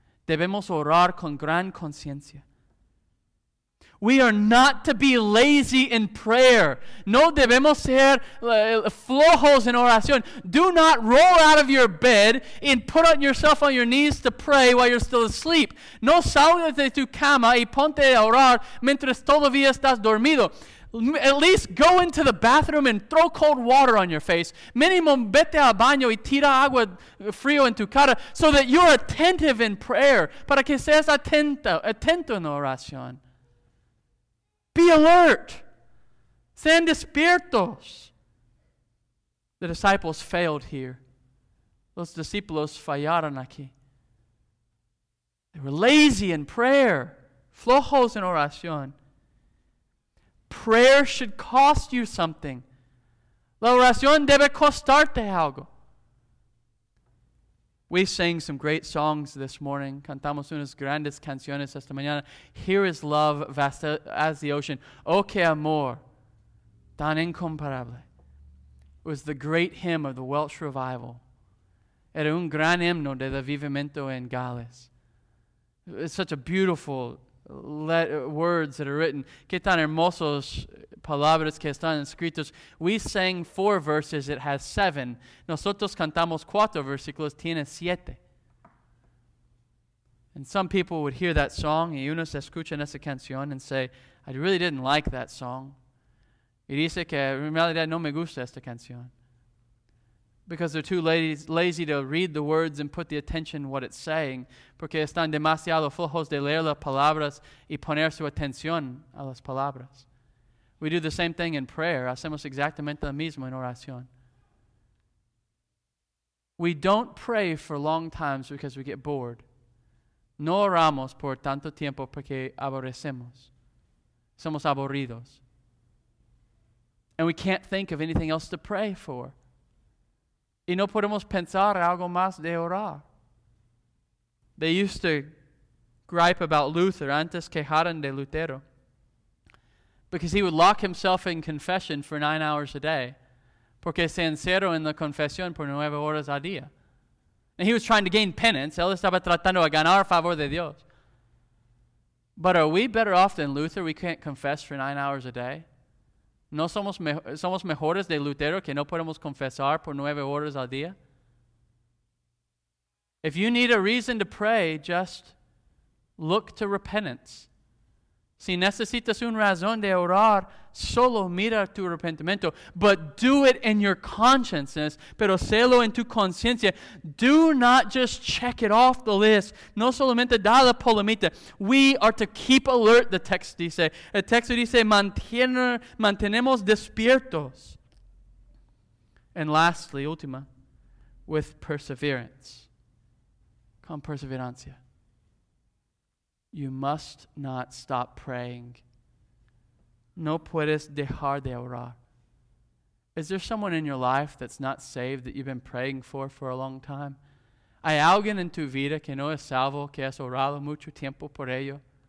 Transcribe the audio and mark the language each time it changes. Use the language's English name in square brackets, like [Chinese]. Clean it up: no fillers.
[Spanish] Debemos orar con gran conciencia. [English] We are not to be lazy in prayer. [Spanish] No debemos ser flojos en oración. [English] Do not roll out of your bed and put yourself on your knees to pray while you're still asleep. [Spanish] No salgas de tu cama y ponte a orar mientras todavía estás dormido. [English] At least go into the bathroom and throw cold water on your face. [Spanish] Mínimo vete al baño y tira agua frío en tu cara [English] so that you're attentive in prayer. [Spanish] Para que seas atento en oración. [English] Be alert. [Spanish] Sean despiertos. [English] The disciples failed here. [Spanish] Los discípulos fallaron aquí. [English] They were lazy in prayer. [Spanish] Flojos en oración. [English] Prayer should cost you something. [Spanish] La oración debe costarte algo. [English] We sang some great songs this morning. [Spanish] Cantamos unas grandes canciones esta mañana. [English] Here is love vast as the ocean. [Spanish] Oh, que amor tan incomparable. [English] It was the great hymn of the Welsh Revival. [Spanish] Era un gran himno de avivamiento en Gales. [English] It's such a beautiful words that are written. [Spanish] Que tan hermosos palabras que están escritos. [English] We sang four verses, it has seven. [Spanish] Nosotros cantamos cuatro versículos, tiene siete. [English] And some people would hear that song [Spanish] y unos escuchan esa canción [English] and say, I really didn't like that song. [Spanish] Y dice que en realidad no me gusta esta canción. [English] Because they're too lazy to read the words and put the attention what it's saying. [Spanish] Porque están demasiado flojos de leer las palabras y poner su atención a las palabras. [English] We do the same thing in prayer. [Spanish] Hacemos exactamente lo mismo en oración. [English] We don't pray for long times because we get bored. [Spanish] No oramos por tanto tiempo porque aborrecemos. Somos aburridos. [English] And we can't think of anything else to pray for. [Spanish] Y no podemos pensar algo más de orar. [English] They used to gripe about Luther. [Spanish] Antes quejaron de Lutero. [English] Because he would lock himself in confession for 9 hours a day. [Spanish] Porque se encerró en la confesión por 9 horas al día. [English] And he was trying to gain penance. [Spanish] Él estaba tratando de ganar favor de Dios. [English] But are we better off than Luther? We can't confess for 9 hours a day. [Spanish] No somos mejores de Lutero que no podemos confesar por 9 horas al día. [English] If you need a reason to pray, just look to repentance. [Spanish] Si necesitas un razón de orar, solo mira tu arrepentimiento. [English] But do it in your consciousness, [Spanish] pero sélo en tu conciencia. [English] Do not just check it off the list. [Spanish] No solamente da la palomita. [English] We are to keep alert, the text dice. [Spanish] El texto dice, mantenemos despiertos. [English] And lastly, última, with perseverance. [Spanish] Con perseverancia. [English] You must not stop praying. [Spanish] No puedes dejar de orar. [English] Is there someone in your life that's not saved that you've been praying for a long time? [Spanish] ¿Hay alguien en tu vida que no es salvo, que has orado mucho tiempo por ello?